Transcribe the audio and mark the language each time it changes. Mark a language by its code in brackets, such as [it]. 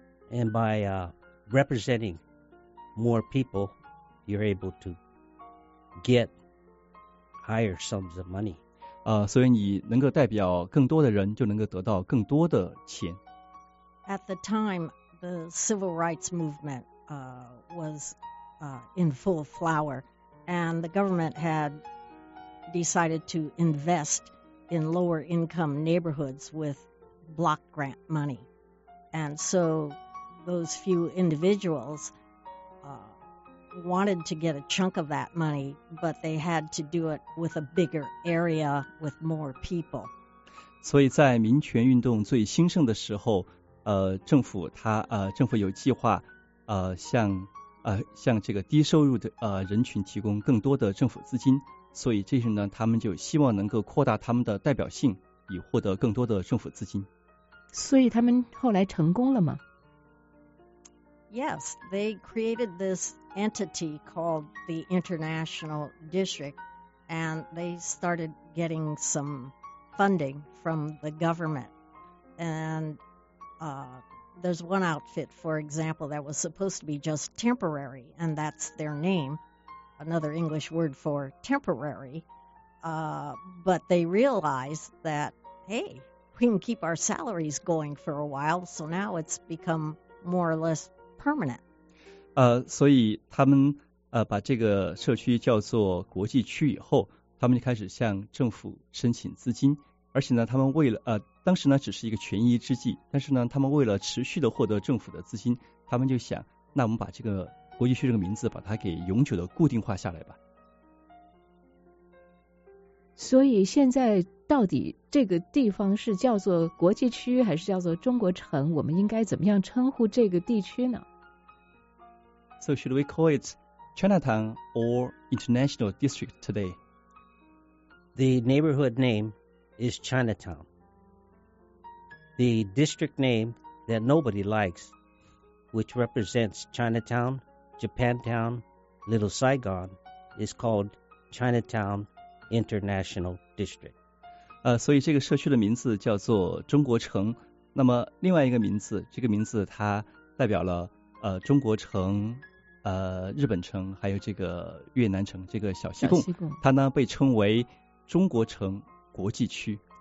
[en] And by representing more people, you're able to get higher sums of money. [zh] 所以你能够代表更多的人，就能够得到更多的钱。 [en] At the time, the civil rights movement was in full flower, and the government had decided to invest in lower income neighborhoods with block grant money. And so those few individuals wanted to get a chunk of that money, but they had to do it with a bigger area with more people. [zh] 所以在民权运动最兴盛的时候，政府有计划向这个低收入的人群提供更多的政府资金，所以这些人呢，他们就希望能够扩大他们的代表性，以获得更多的政府资金。所以他们后来成功了吗？ [en] Yes, they created this entity called the International District, and they started getting some funding from the government. And there's one outfit, for example, that was supposed to be just temporary, and that's their name, another English word for temporary. But they realized that, hey, we can keep our salaries going for a while, so now it's become more or less permanent. [zh] 所以他们把这个社区叫做国际区以后，他们就开始向政府申请资金，而且呢，他们为了当时呢只是一个权宜之计，但是呢，他们为了持续的获得政府的资金，他们就想，那我们把这个国际区这个名字把它给永久的固定化下来吧。所以现在到底这个地方是叫做国际区还是叫做中国城？我们应该怎么样称呼这个地区呢？ [en] So should we call it Chinatown or International District today? The neighborhood name is Chinatown. The district name that nobody likes, which represents Chinatown, Japantown, Little Saigon, is called Chinatown International District. [zh] 所以这个社区的名字叫做中国城。那么另外一个名字，这个名字它代表了中国城、日本城还有这个越南城，这个小西贡，它呢被称为中国城国际区。